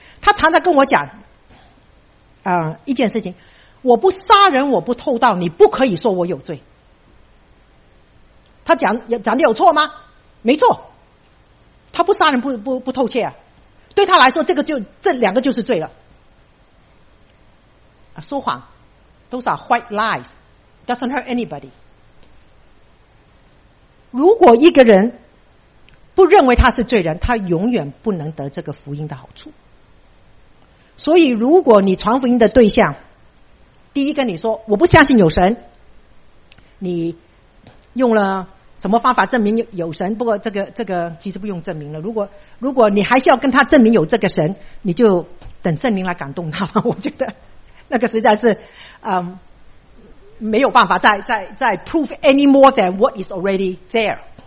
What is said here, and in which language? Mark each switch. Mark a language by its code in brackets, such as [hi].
[zh] 他常常跟我讲一件事情，我不杀人我不偷盗，你不可以说我有罪。他讲的有错吗？没错，他不杀人不偷窃啊，对他来说这两个就是罪了。说谎 [en] those are white lies doesn't hurt anybody。 [zh] 如果一个人不认为他是罪人，他永远不能得这个福音的好处。所以如果你传福音的对象第一跟你说我不相信有神，你用了什么方法证明有神，不过这个其实不用证明了，如果你还是要跟他证明有这个神，你就等圣灵来感动他，我觉得那个实在是没有办法再 [en] prove any more than what is already there。